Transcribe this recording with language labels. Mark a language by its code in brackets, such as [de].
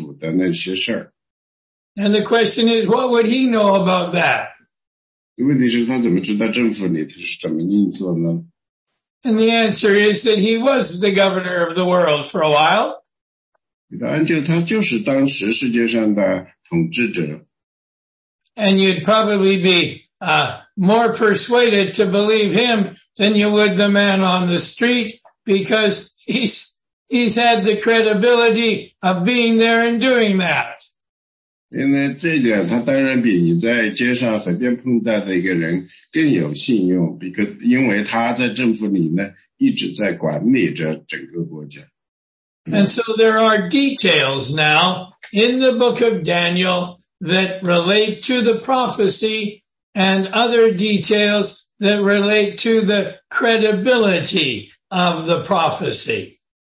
[zh] 他会给我们讲很多在世界上政府的那些事儿。And [en] the question is, what would he know about that? [zh] 问题是他怎么知道政府里他是怎么运作呢？ [en] And the answer is that he was the governor of the world for a while. And you'd probably be more persuaded to believe him than you would the man on the street, because he's had the credibility of being there and doing that. [zh] 因为这个他当然比你在街上随便碰到的一个人更有信用，因为他在政府里呢一直在管理着整个国家。And [en] so there are details now in the book of Daniel that relate to the prophecy and other details that relate to the credibility of the prophecy.